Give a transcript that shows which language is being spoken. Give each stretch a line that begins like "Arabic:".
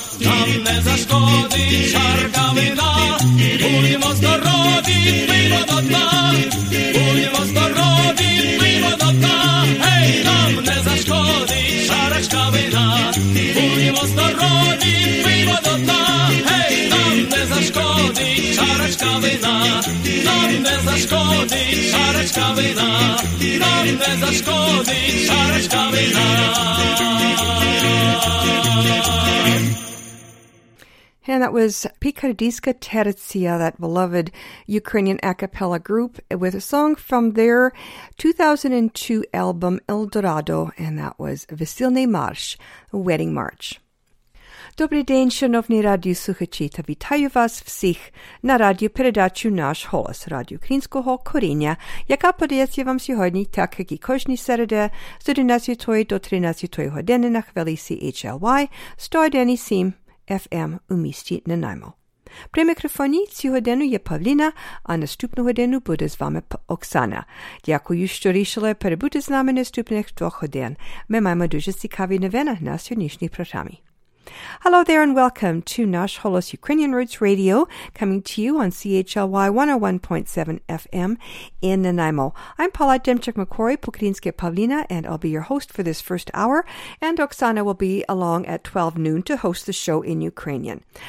Ukrainian: Нам не зашкодить чарка вина, будьмо здорові, пиймо до дна, будьмо здорові, пиймо до дна, гей, нам не зашкодить чарочка вина, будьмо здорові, пиймо до дна, гей, нам не зашкодить чарочка вина, нам не зашкодить чарочка вина, нам не зашкодить чарочка вина.
English: And that was Pikardiska Tertsia, that beloved Ukrainian a cappella group, with a song from their 2002 album El Dorado, and that was Veselny Marsh, Wedding March.
Czech: Dobrý den,
Ukrainian: шановні радіослухачі, та вітаю вас всіх на радіопередачу «Наш голос» радіо Українського коріння, яка подається вам сьогодні, так як і кожні середи з 11 до 13 години на хвилі CHLY 101.7. FM у місті Нанаймо. При мікрофоні цю годину є Павліна, а наступну годину буде з вами Оксана. Дякую, що рішили перебути з нами наступних двох годин. Ми маємо дуже цікаві новини на сьогоднішній програмі.
English: Hello there and welcome to Nash Holos Ukrainian Roots Radio, coming to you on CHLY 101.7 FM in Nanaimo. I'm Paula Demchuk-McCory, Pukrinske Pavlina, and I'll be your host for this first hour, and Oksana will be along at 12 noon to host the show in Ukrainian.